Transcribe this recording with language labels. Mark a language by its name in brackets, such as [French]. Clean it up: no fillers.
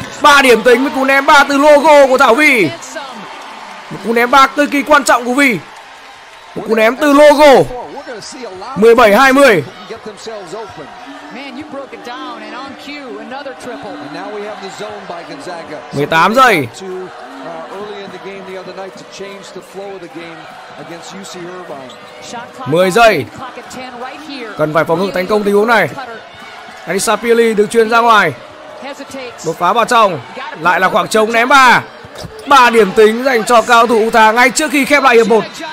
[Vietnamese] 3 điểm tính với cú ném 3 từ logo của Thảo My. Một cú ném 3 cực kỳ quan trọng của Vy. Một cú ném từ logo. 17-20. [English] Man, you broke it down, and on cue, another triple. And now we have the zone by Gonzaga. [Vietnamese] 18 giây. [English] Early in the game the other night to change the flow of the game against UC Irvine. [Vietnamese] 10 giây. Cần phải phòng ngự tấn công tình huống này. Anissa Pili được truyền ra ngoài. Đột phá vào trong. Lại là khoảng trống ném 3. 3 điểm tính dành cho cao thủ Utah ngay trước khi khép lại hiệp 1.